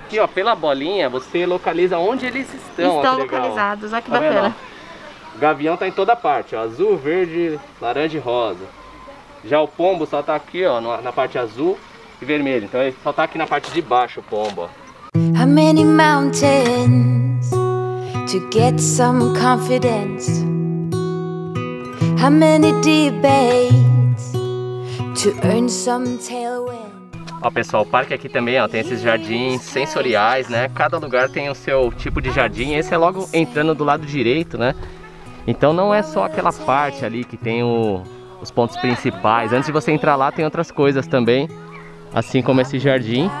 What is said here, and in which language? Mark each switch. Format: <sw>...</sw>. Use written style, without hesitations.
<pt>Aqui, ó, pela bolinha, você localiza onde eles estão. Estão localizados, olha que bacana. O gavião tá em toda parte, ó, azul, verde, laranja e rosa. Já o pombo só tá aqui, ó, na parte azul e vermelho. Então ele só tá aqui na parte de baixo, o pombo.</pt> <en>How many mountains to get some confidence? How many debates to earn some tailwind?</en> <pt>Ó, pessoal, o parque aqui também, ó, tem esses jardins sensoriais, né? Cada lugar tem o seu tipo de jardim. Esse é logo entrando do lado direito, né? Então não é só aquela parte ali que tem os pontos principais. Antes de você entrar lá, tem outras coisas também. Assim como esse jardim.</pt>